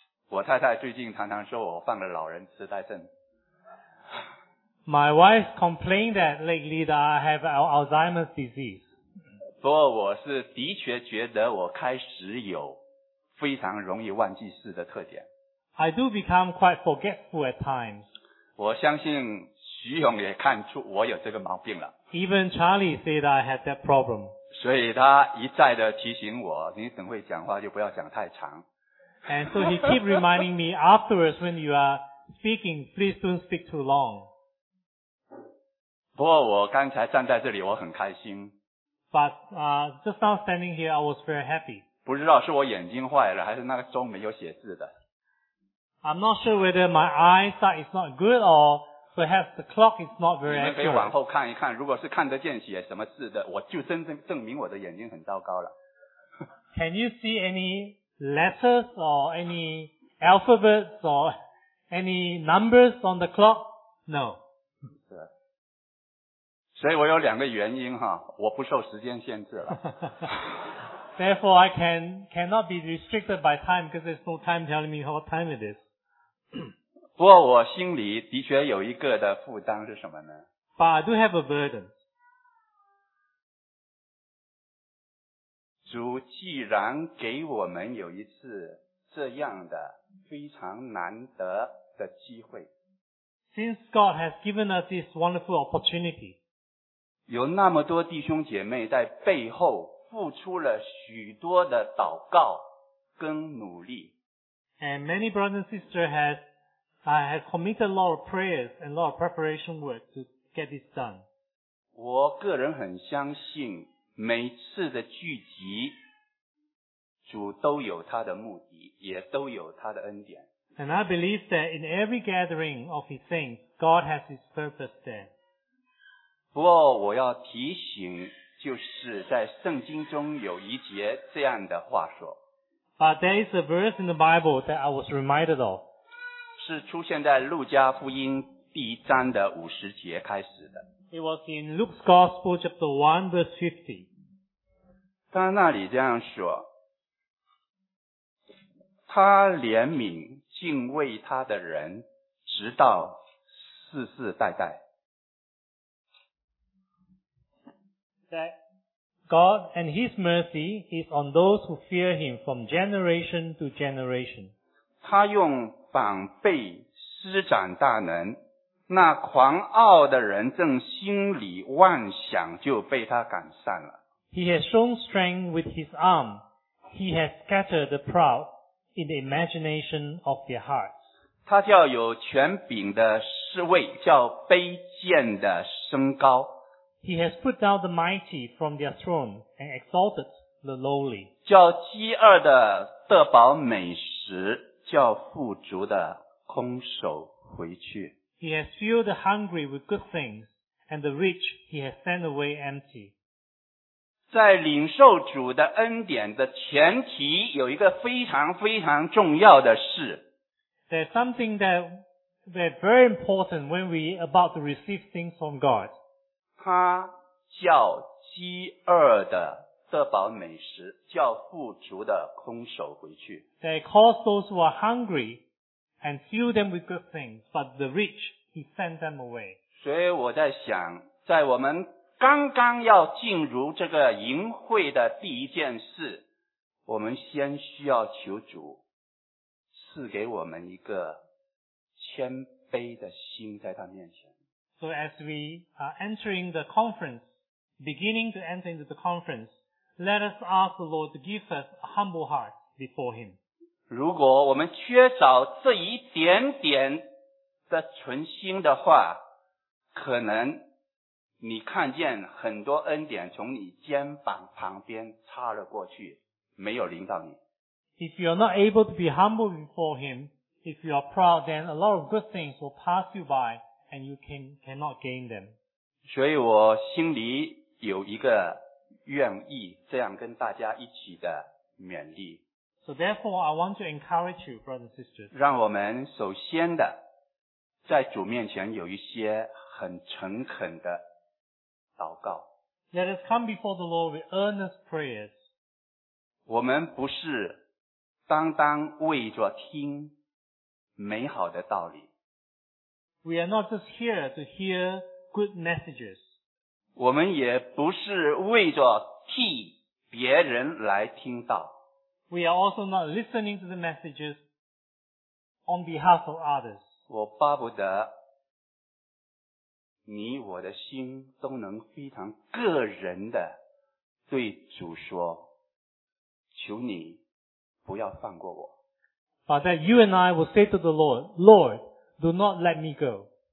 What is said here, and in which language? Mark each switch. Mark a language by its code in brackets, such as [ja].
[zh] 我太太最近常常说我犯了老人痴呆症。 [en] My wife complained that lately that I have Alzheimer's disease. [zh] 不过我是的确觉得我开始有非常容易忘记事的特点。 [en] I do become quite forgetful at times. [zh] 我相信徐勇也看出我有这个毛病了。 [en] Even Charlie said I had that problem. [zh] 所以他一再的提醒我，你等会讲话就不要讲太长。 [en] And so he keep reminding me afterwards when you are speaking, please don't speak too long. [zh] 不过我刚才站在这里我很开心。 [en] But, just now standing here, I was very happy. [zh] 不知道是我眼睛坏了还是那个钟没有写字的。 [en] I'm not sure whether my eyesight is not good or perhaps the clock is not very accurate. [zh] 你们可以往后看一看，如果是看得见写什么字的，我就真正证明我的眼睛很糟糕了。 [en] Can you see any letters or any alphabets or any numbers on the clock? No. [zh] 所以我有两个原因哈，我不受时间限制了。 [en] Therefore, I cannot be restricted by time because there's no time telling me what time it is. [zh] 不过我心里的确有一个的负担是什么呢？ [en] But I do have a burden. [zh] 主既然给我们有一次这样的非常难得的机会。 [en] Since God has given us this wonderful opportunity, [zh] 有那么多弟兄姐妹在背后付出了许多的祷告跟努力。 [en] And many brothers and sisters have committed a lot of prayers and a lot of preparation work to get this done. [zh] 我个人很相信每次的聚集主都有他的目的也都有他的恩典。 [en] And I believe that in every gathering of his saints, God has his purpose there. [zh] 不过我要提醒就是在圣经中有一节这样的话说。 [en] But there is a verse in the Bible that I was reminded of. [zh] 是出现在路加福音第一章的五十节开始的。 [en] It was in Luke's Gospel, chapter 1, verse 50. [zh] 他那里这样说，他怜悯敬畏他的人，直到世世代代。 [en] That God and His mercy is on those who fear Him from generation to generation. [zh] 他用膀臂施展大能，那狂傲的人正心里妄想就被他赶散了。 [en] He has shown strength with his arm. He has scattered the proud in the imagination of their hearts. [zh] 他叫有权柄的侍卫，叫卑贱的升高。 [en] He has put down the mighty from their throne and exalted the lowly. [zh] 叫饥饿的得饱美食，叫富足的空手回去。 [en] He has filled the hungry with good things, and the rich he has sent away empty. [zh] 在领受主的恩典的前提，有一个非常非常重要的事。 [en] There's something that very important when we about to receive things from God. [zh] 他叫饥饿的得饱美食，叫富足的空手回去。 [en] They cause those who are hungry. And fill them with good things, but the rich, he sent them away. [zh] 所以我在想，在我们刚刚要进入这个营会的第一件事，我们先需要求主赐给我们一个谦卑的心在他面前。 [en] So as we are entering the conference, beginning to enter into the conference, let us ask the Lord to give us a humble heart before him. [zh] 如果我们缺少这一点点的存心的话，可能你看见很多恩典从你肩膀旁边擦了过去，没有临到你。 [en] If you are not able to be humble before him, if you are proud, then a lot of good things will pass you by and you cannot gain them. [zh] 所以我心里有一个愿意这样跟大家一起的勉励。 [en] So therefore, I want to encourage you, brothers and sisters. [zh] 让我们首先的在主面前有一些很诚恳的祷告。 [en] Let us come before the Lord with earnest prayers. [zh] 我们不是当当为着听美好的道理。 [en] We are not just here to hear good messages. [zh] 我们也不是为着替别人来听到。 [en] We are also not listening to the messages on behalf of others. [zh] 我巴不得你我的心都能非常个人的对主说，求你不要放过我。 [en] But that you and I will say to the Lord, Lord, do not let me go.